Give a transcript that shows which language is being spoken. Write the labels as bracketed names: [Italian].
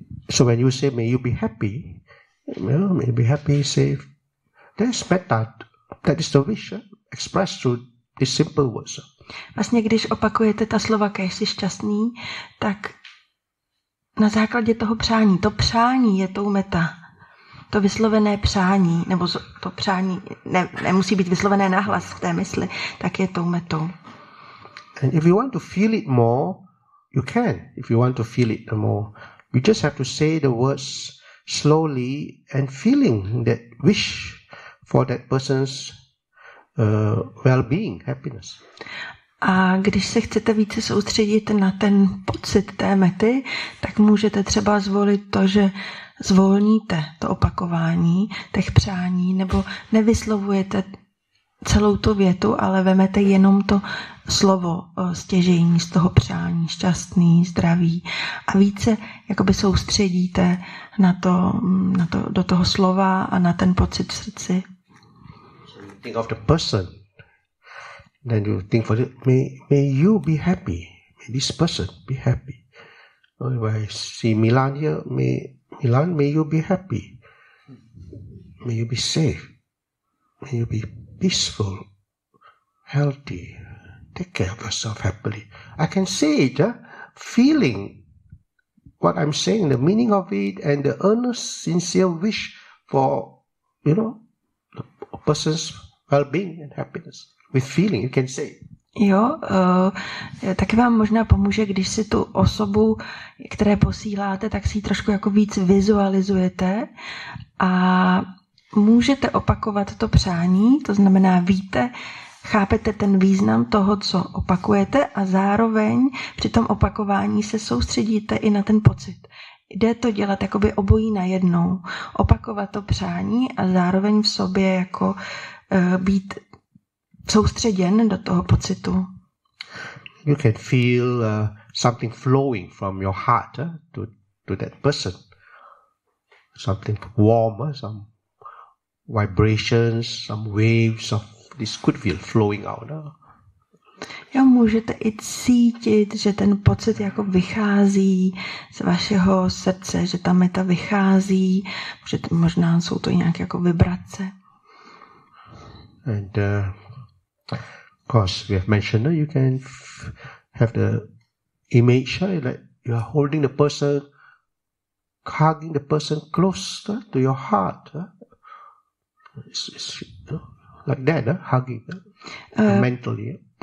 [English] So when you say, may you be happy, well, may you be happy, say, there's metta, that is the wish, expressed through these simple words. [Czech] Vlastně, když opakujete ta slova, kéž jsi šťastný, tak na základě toho přání, to přání je tou meta. To vyslovené přání, nebo to přání nemusí být vyslovené nahlas v té mysli, tak je tou metou. [English] And if you want to feel it more, you can. If you want to feel it more, you just have to say the words slowly and feeling that wish for that person's well-being, happiness. [Czech] A když se chcete více soustředit na ten pocit té mety, tak můžete třeba zvolit to, že zvolníte to opakování těch přání, nebo nevyslovujete celou tu větu, ale vezmete jenom to slovo stěžejní z toho přání, šťastný, zdravý, a více jakoby soustředíte na to, do toho slova a na ten pocit v srdci. [English] Think of the person. Then you think for it, may you be happy. may this person be happy. If I see Milan here, Milan, may you be happy. May you be safe. May you be peaceful, healthy. Take care of yourself happily. I can say it, feeling what I'm saying, the meaning of it, and the earnest, sincere wish for, you know, the person's well-being and happiness. With feeling, you can say it. [Czech] Jo, taky vám možná pomůže, když si tu osobu, které posíláte, tak si ji trošku jako víc vizualizujete a můžete opakovat to přání, to znamená víte, chápete ten význam toho, co opakujete a zároveň při tom opakování se soustředíte i na ten pocit. Jde to dělat jakoby obojí najednou. Opakovat to přání a zároveň v sobě jako být soustředěn do toho pocitu. [English] You can feel something flowing from your heart to that person. Something warm, some vibrations, some waves of this goodwill flowing out. [Czech] Jo, můžete i cítit, že ten pocit jako vychází z vašeho srdce, že ta meta vychází, můžete, možná jsou to nějak jako vibrace. [English] And of course, we have mentioned that you can have the image like you are holding the person, hugging the person close to your heart. It's like that, hugging, mentally.